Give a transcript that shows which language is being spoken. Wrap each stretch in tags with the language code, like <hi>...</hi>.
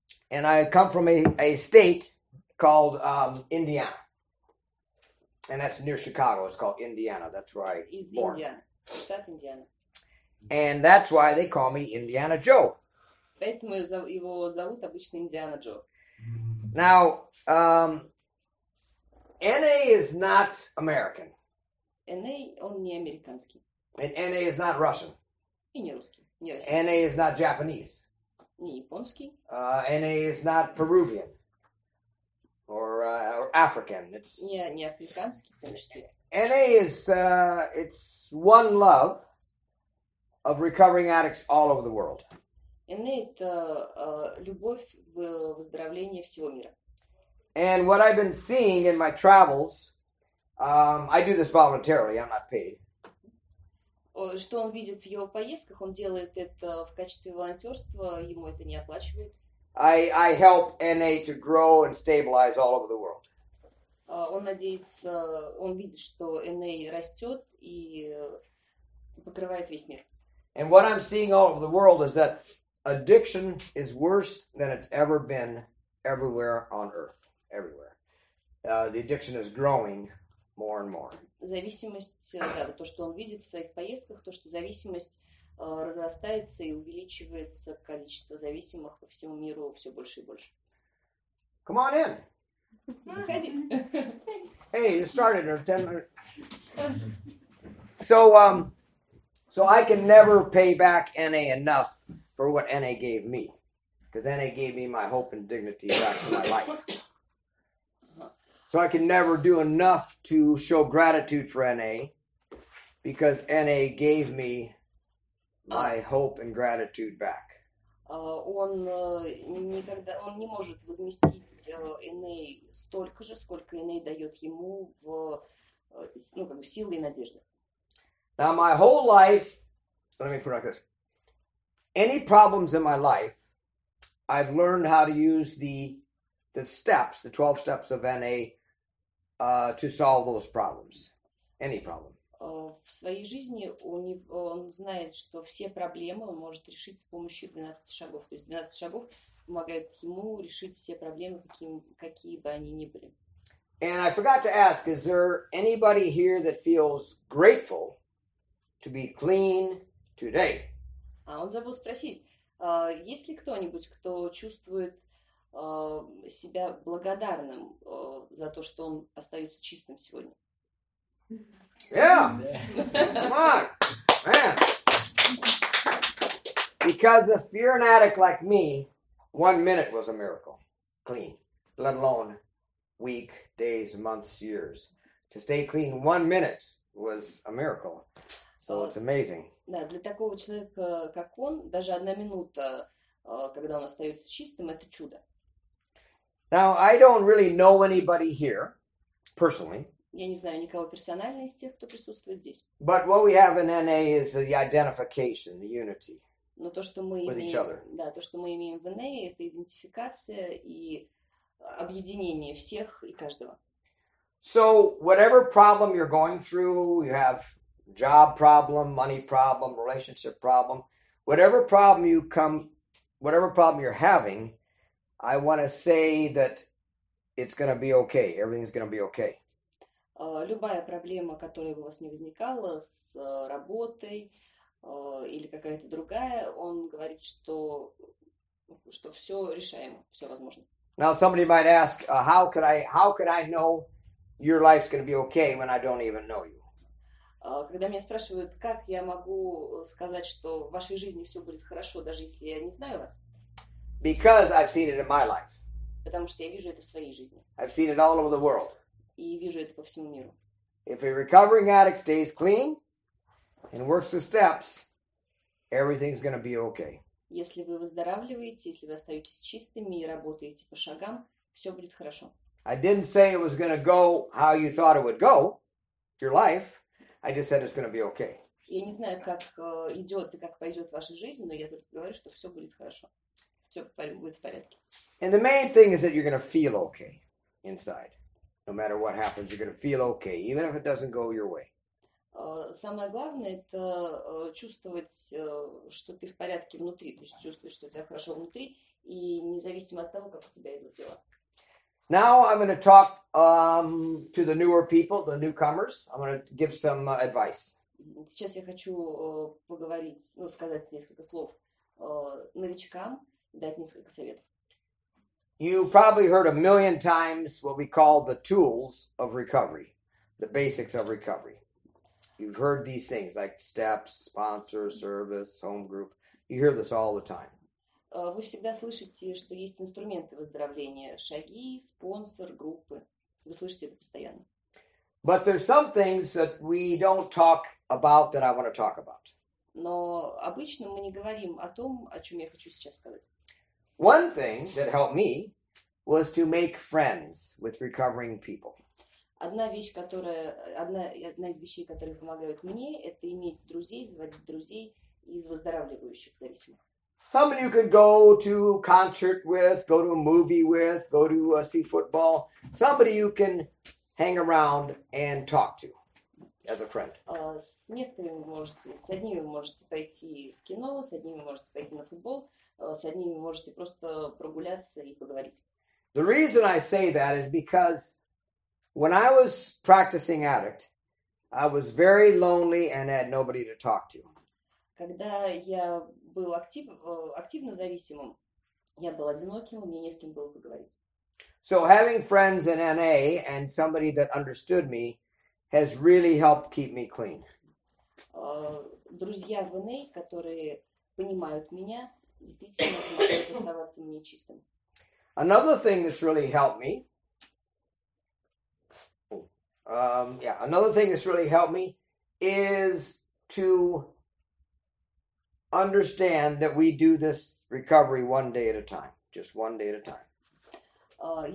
<en>And I come from a state called Indiana. And that's near Chicago. It's called Indiana. That's where I was born. Indiana. And that's why they call me Indiana Joe.</en> <ru>Поэтому его зовут обычно Индиана Джо.</ru> <en>Now, NA is not American.</en> <ru>NA, он не американский.</ru> <en>And NA is not Russian.</en> <ru>И не русский, не российский.</ru> <en>NA is not Japanese.</en> <ru>Не японский.</ru> <en>NA is not Peruvian. Or African. It's</en> <ru>не африканский, в том числе.</ru> <en>NA is, it's one love of recovering addicts all over the world.</en> <ru>NA это любовь выздоровления всего мира.</ru> <en>And what I've been seeing in my travels, I do this voluntarily, I'm not paid.</en> <ru>Что он видит в его поездках, он делает это в качестве волонтерства, ему это не оплачивают.</ru> <en>I help NA to grow and stabilize all over the world.</en> <ru>Он надеется, он видит, что NA растет и покрывает весь мир.</ru> <en>And what I'm seeing all over the world is that addiction is worse than it's ever been everywhere on earth. Everywhere. The addiction is growing more and more.</en> <ru>Зависимость, да, то, что он видит в своих поездках, то, что зависимость разрастается и увеличивается количество зависимых по всему миру все больше и больше.</ru> <en>Come on in.</en> <ru>Заходи.</ru> <en>Hey, you started at 10 minutes. So I can never pay back NA enough for what NA gave me. Because NA gave me my hope and dignity back in my life. So I can never do enough to show gratitude for NA because NA gave me my hope and gratitude back.</en> <ru>Он не может возместить NA столько же, сколько NA дает ему в силы и надежды.</ru> <en>Now my whole life, let me put it like this. Any problems in my life, I've learned how to use the steps, the 12 steps of NA to solve those problems. Any problem.</en> <ru>В своей жизни он знает, что все проблемы он может решить с помощью 12 шагов. То есть 12 шагов помогают ему решить все проблемы, какие бы они ни были.</ru> <en>And I forgot to ask, is there anybody here that feels grateful to be clean today?</en> <ru>А он забыл спросить, есть ли кто-нибудь, кто чувствует себя благодарным за то, что он остается чистым сегодня?</ru> <en>Yeah. Come on. Man. Because if you're an addict like me, 1 minute was a miracle. Clean. Let alone week, days, months, years. To stay clean 1 minute was a miracle. So it's amazing.</en> <ru>Да, для такого человека, как он, даже одна минута, когда он остается чистым, это чудо.</ru> <en>Now, I don't really know anybody here, personally.</en> <ru>Я не знаю никого персонально из тех, кто присутствует здесь.</ru> <en>But what we have in NA is the identification, the unity.</en> <ru>Но то, что мы</ru> <en>with</en> <ru>имеем,</ru> <en>each other.</en> <ru>Да, то, что мы имеем в NA, это идентификация и объединение всех и каждого.</ru> <en>So, whatever problem you're going through, you have job problem, money problem, relationship problem, whatever problem you're having, I want to say that it's going to be okay. Everything's going to be okay.</en> <ru>Любая проблема, которая бы у вас не возникала с работой или какая-то другая, он говорит, что все решаемо, все возможно.</ru> <en>Now somebody might ask, how could I know your life's going to be okay when I don't even know you?</en> <ru>Когда меня спрашивают, как я могу сказать, что в вашей жизни все будет хорошо, даже если я не знаю вас?</ru> <en>Because I've seen it in my life.</en> <ru>Потому что я вижу это в своей жизни.</ru> <en>I've seen it all over the world.</en> <ru>И вижу это по всему миру.</ru> <en>If a recovering addict stays clean, and works the steps, everything's going to be okay.</en> <ru>Если вы выздоравливаете, если вы остаетесь чистыми и работаете по шагам, все будет хорошо.</ru> <en>I didn't say it was going to go how you thought it would go, your life. I just said it's going to be okay.</en> <ru>Я не знаю, как идет и как пойдет ваша жизнь, но я только говорю, что все будет хорошо. Все будет в порядке.</ru> <en>And the main thing is that you're going to feel okay inside. No matter what happens, you're going to feel okay, even if it doesn't go your way.</en> <ru>Самое главное, это чувствовать, что ты в порядке внутри. То есть чувствовать, что у тебя хорошо внутри, и независимо от того, как у тебя идут дела.</ru> <en>Now I'm going to talk to the newer people, the newcomers. I'm going to give some advice.</en> <ru>Сейчас я хочу поговорить, ну, сказать несколько слов новичкам, дать несколько советов.</ru> <en>You probably heard a million times what we call the tools of recovery, the basics of recovery. You've heard these things like steps, sponsor, service, home group. You hear this all the time.</en> <ru>Вы всегда слышите, что есть инструменты выздоровления: шаги, спонсор, группы. Вы слышите это постоянно.</ru> <en>But there's some things that we don't talk about that I want to talk about.</en> <ru>Но обычно мы не говорим о том, о чем я хочу сейчас сказать.</ru> <en>One thing that helped me was to make friends with recovering people.</en> <ru>Одна из вещей, которые помогают мне, это иметь друзей, заводить друзей из выздоравливающих зависимых.</ru> <en>Some of you could go to concert with, go to a movie with, go to see football. Somebody you can hang around and talk to as a friend.</en> <ru>С некоторыми можете, с одними можете пойти в кино, с одними можете пойти на футбол, с одними можете просто прогуляться и поговорить.</ru> <en>The reason I say that is because when I was practicing addict, I was very lonely and had nobody to talk to.</en> <ru>Когда я был активно зависимым, я был одиноким, у меня не с кем было поговорить.</ru> <en>So having friends in NA and somebody that understood me has really helped keep me clean.</en> <ru>Друзья в NA, которые понимают меня, действительно помогают оставаться мне чистым.</ru> <en>Another thing that's really helped me is to understand that we do this recovery one day at a time, just one day at a time.</en>